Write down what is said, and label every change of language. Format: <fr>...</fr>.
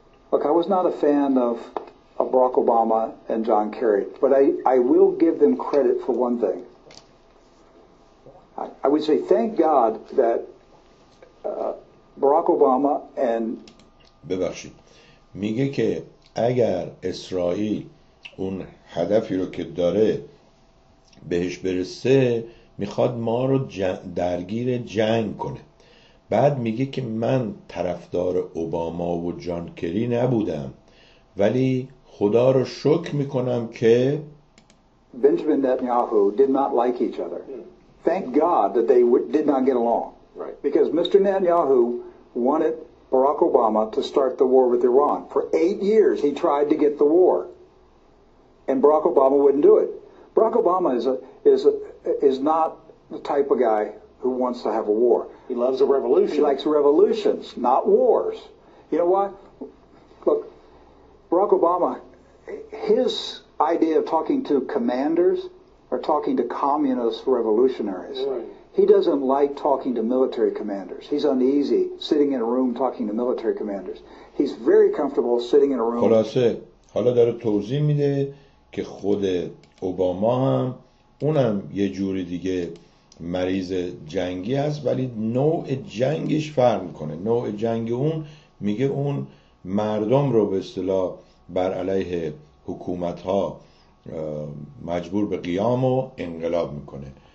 <en>Look, I was not a fan of Barack Obama and John Kerry, but I will give them credit for one thing. I would say thank God that Barack Obama and</en> <fa>ببخشید. میگه که اگر اسرائیل اون هدفی رو که داره بهش برسه، میخواد ما رو درگیر جنگ کنه. بعد میگه که من طرفدار اوباما و جان کری نبودم، ولی خدا رو شکر میکنم که</fa> <en>Benjamin Netanyahu did not like each other. Thank God that they did not get along. Right. Because Mr. Netanyahu wanted Barack Obama to start the war with Iran. For 8 years he tried to get the war. And Barack Obama wouldn't do it. Barack Obama is not the type of guy who wants to have a war. He loves a revolution. He likes revolutions, not wars. You know why? Look, Barack Obama, his idea of talking to commanders are talking to communist revolutionaries. Right. He doesn't like talking to military commanders. He's uneasy sitting in a room talking to military commanders. He's very comfortable sitting in a room.</en> <fa>خلاصه حالا داره توضیح میده که خود اوباما هم اونم یه جوری دیگه مریض جنگی هست، ولی نوع جنگش فرق میکنه. نوع جنگ اون، میگه اون مردم رو به اصطلاح بر علیه حکومت ها مجبور به قیام و انقلاب میکنه.</fa>